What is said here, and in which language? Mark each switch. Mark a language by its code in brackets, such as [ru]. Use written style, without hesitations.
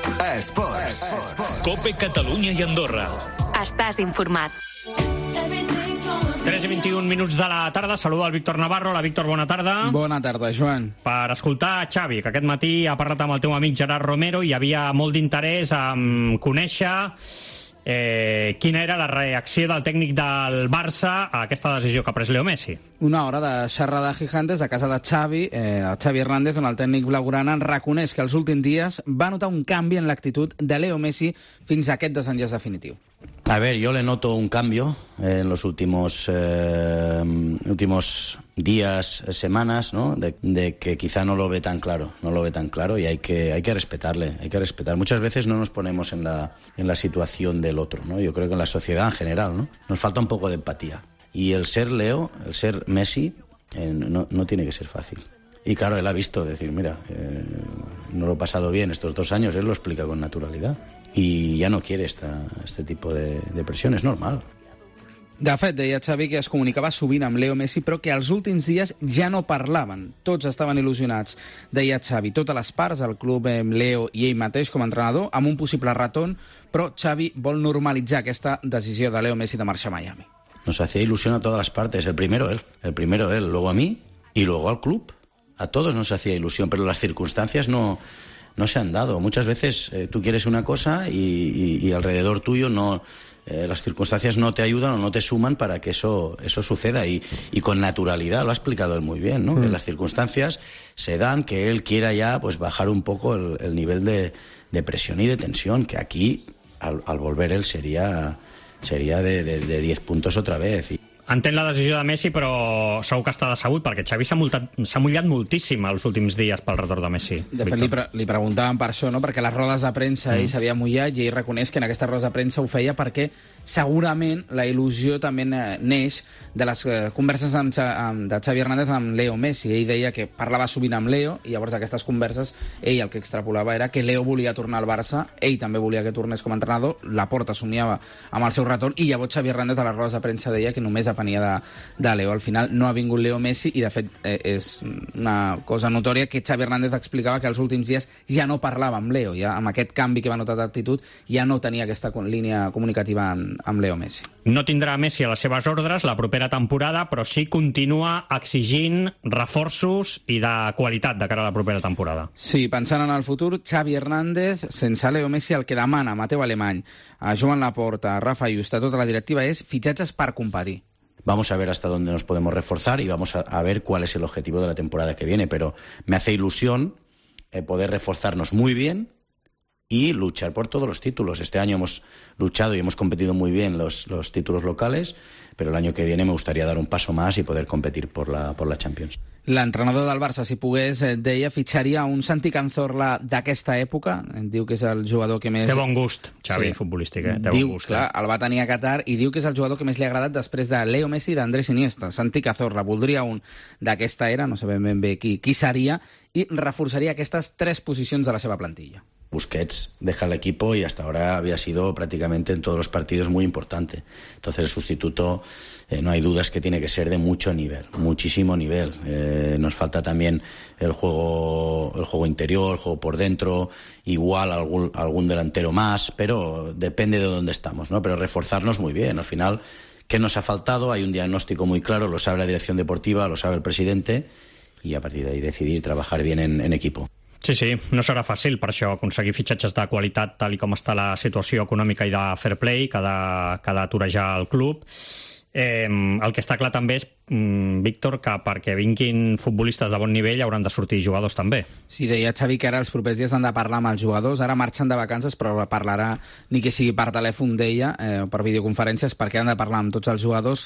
[ca] Esports. COPE Catalunya i Andorra. Estàs informat. 3 i 21 minuts de la tarda. Saluda el Víctor Navarro. La Víctor, bona tarda. Bona tarda, Joan. Per escoltar Xavi, que aquest matí ha parlat amb el teu amic Gerard Romero i hi havia molt d'interès en conèixer quina era la reacció del tècnic del Barça a aquesta decisió que ha pres Leo Messi. Una hora de xerrada gigantes a casa de Xavi, Xavi Hernández, on el tècnic blaugrana reconeix que els últims dies va notar un canvi en l'actitud de Leo Messi fins a aquest desenllaç definitiu. [es] A ver, yo le noto un cambio en los últimos días, semanas, ¿no? De que quizá no lo ve tan claro, no lo ve tan claro y hay que respetarle, hay que respetar. Muchas veces no nos ponemos en la situación del otro, ¿no? Yo creo que en la sociedad en general, ¿no? Nos falta un poco de empatía. Y el ser Leo, el ser Messi, no tiene que ser fácil. Y claro, él ha visto, decir, mira, no lo he pasado bien estos 2 años, él lo explica con naturalidad. Y ya no quiere este tipo de presión, es normal. [ca] De fet, deia Xavi que es comunicava sovint amb Leo Messi, però que els últims dies ja no parlaven. Tots estaven il·lusionats, deia Xavi. Totes les parts, el club, Leo i ell mateix com a entrenador, amb un possible retorn, però Xavi vol normalitzar aquesta decisió de Leo Messi de marxar a Miami. [es] Nos hacía ilusión a todas las partes, el primero él, luego a mí y luego al club. A todos nos hacía ilusión, pero las circunstancias no se han dado. Muchas veces tú quieres una cosa y alrededor tuyo no, las circunstancias no te ayudan o no te suman para que eso suceda. Y con naturalidad, lo ha explicado él muy bien, ¿no? Sí. Que las circunstancias se dan, que él quiera ya pues bajar un poco el nivel de presión y de tensión, que aquí, al volver él, sería de 10 puntos otra vez. [ca] Entén la decisió de Messi, però segur que està decebut, perquè Xavi s'ha mullat moltíssim els últims dies pel retorn de Messi. De fet, li preguntàvem per això, no? Perquè les rodes de premsa ell s'havia mullat i ell reconeix que en aquestes rodes de premsa ho feia perquè segurament la il·lusió també neix de les converses de Xavi Hernández amb Leo Messi. Ell deia que parlava sovint amb Leo i llavors aquestes converses, ell el que extrapolava era que Leo volia tornar al Barça, ell també volia que tornés com a entrenador, Laporta somiava amb el seu retorn i llavors Xavi Hernández a les rodes de premsa deia que només companyia de Leo. Al final no ha vingut Leo Messi i, de fet, és una cosa notòria que Xavi Hernández explicava que els últims dies ja no parlava amb Leo. Ja, amb aquest canvi que va notar d'actitud, ja no tenia aquesta línia comunicativa amb Leo Messi. No tindrà Messi a les seves ordres la propera temporada, però sí continua exigint reforços i de qualitat de cara a la propera temporada. Sí, pensant en el futur, Xavi Hernández, sense Leo Messi, el que demana Mateu Alemany, a Joan Laporta, a Rafa Ayuso, a tota la directiva, és fitxatges per competir. [es] Vamos a ver hasta dónde nos podemos reforzar y vamos a ver cuál es el objetivo de la temporada que viene, pero me hace ilusión poder reforzarnos muy bien y luchar por todos los títulos. Este año hemos luchado y hemos competido muy bien los títulos locales, pero el año que viene me gustaría dar un paso más y poder competir por la Champions. [ca] L'entrenador del Barça, si pogués, deia, fitxaria un Santi Cazorla d'aquesta època. Diu que és el jugador que més... Té bon gust, Xavi, sí. Futbolístic. Diu, bon gust, clar, el va tenir a Qatar i diu que és el jugador que més li ha agradat després de Leo Messi i d'Andrés Iniesta. Santi Cazorla, voldria un d'aquesta era, no sabem ben bé qui seria, i reforçaria aquestes tres posicions de la seva plantilla. [es] Busquets deja el equipo y hasta ahora había sido prácticamente en todos los partidos muy importante. Entonces el sustituto, no hay dudas que tiene que ser de mucho nivel, muchísimo nivel. Nos falta también el juego interior, el juego por dentro, igual algún delantero más, pero depende de dónde estamos, ¿no? Pero reforzarnos muy bien. Al final, ¿qué nos ha faltado? Hay un diagnóstico muy claro, lo sabe la dirección deportiva, lo sabe el presidente, y a partir de ahí decidir trabajar bien en equipo. [ca] Sí, sí, no serà fàcil per això aconseguir fitxatges de qualitat tal i com està la situació econòmica i de fair play que ha de torejar el club. El que està clar també és, Víctor, que perquè vinguin futbolistes de bon nivell hauran de sortir jugadors també. Sí, deia Xavi que ara els propers dies han de parlar amb els jugadors, ara marxen de vacances però parlarà, ni que sigui per telèfon, deia, per videoconferències, perquè han de parlar amb tots els jugadors.